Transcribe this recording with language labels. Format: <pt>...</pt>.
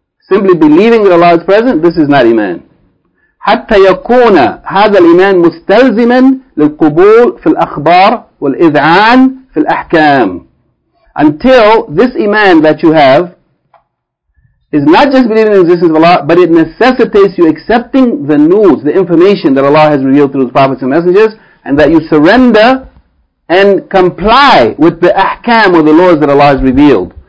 <en>Simply believing that Allah is present, this is not إيمان.</en> <ar>حتى يكون هذا الإيمان مستلزما للقبول في الأخبار والإذعان في الأحكام.</ar> <en>Until this إيمان that you have is not just believing in the existence of Allah, but it necessitates you accepting the news, the information that Allah has revealed through His prophets and messengers, and that you surrender and comply with the ahkam or the laws that Allah has revealed.</en>